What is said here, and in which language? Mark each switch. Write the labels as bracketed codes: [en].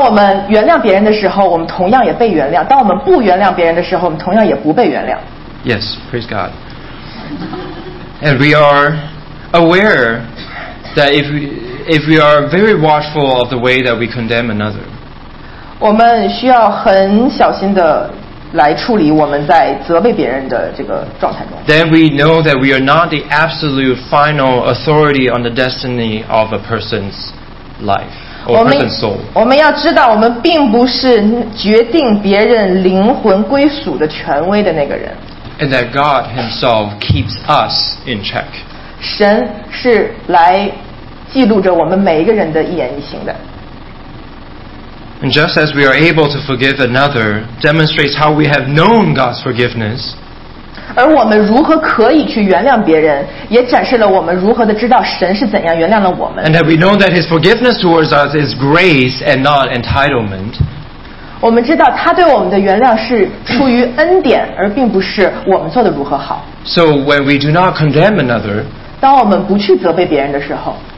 [zh] 我们原谅别人的时候我们同样也被原谅当我们不原谅别人的时候我们同样也不被原谅 [en] Yes, praise God And we are aware that if we are very watchful of the way that we condemn another [zh] 我们需要很小心的来处理我们在责备别人的这个状态中。 [en] Then we know that we are not the absolute final authority on the destiny of a person's life or person's soul. [zh] 我们要知道，我们并不是决定别人灵魂归属的权威的那个人。 [en] And that God Himself keeps us in check. [zh] 神是来记录着我们每一个人的一言一行的。 [en] And just as we are able to forgive another, demonstrates how we have known God's forgiveness. [zh] 而我们如何可以去原谅别人，也展示了我们如何的知道神是怎样原谅了我们。 [en] And that we know that His forgiveness towards us is grace and not entitlement. [zh] 我们知道他对我们的原谅是出于恩典，而并不是我们做的如何好。 [en] So when we do not condemn another, [zh] 当我们不去责备别人的时候